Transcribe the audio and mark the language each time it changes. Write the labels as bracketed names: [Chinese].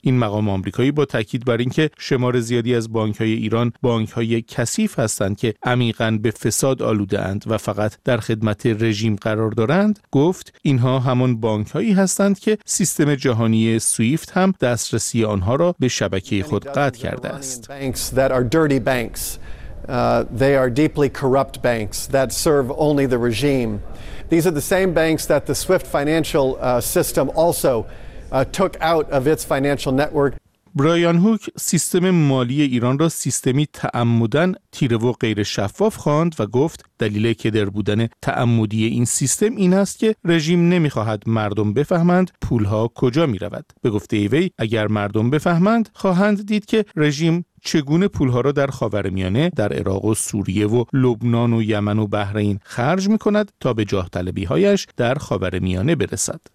[Persian] این مقام آمریکایی با تاکید بر اینکه شمار زیادی از بانک‌های ایران بانک‌های کثیف هستند که عمیقاً به فساد آلوده اند و فقط در خدمت رژیم قرار دارند، گفت اینها همان بانک‌هایی هستند که سیستم جهانی سویفت هم دسترسی آنها را به شبکه خود قطع کرده است. [English] They are deeply corrupt banks that serve only the regime. These are the same banks that the Swift financial system also took out of its financial network. [Persian] برایان هوک سیستم مالی ایران را سیستمی تعمدن تیره و غیر شفاف خواند و گفت دلیل کدر بودن تعمدی این سیستم این است که رژیم نمی‌خواهد مردم بفهمند پول‌ها کجا می‌رود. به گفته ایوی اگر مردم بفهمند خواهند دید که رژیم چگونه پول‌ها را در خاورمیانه، در عراق و سوریه و لبنان و یمن و بحرین خرج می‌کند تا به جاه‌طلبی‌هایش در خاورمیانه برسد.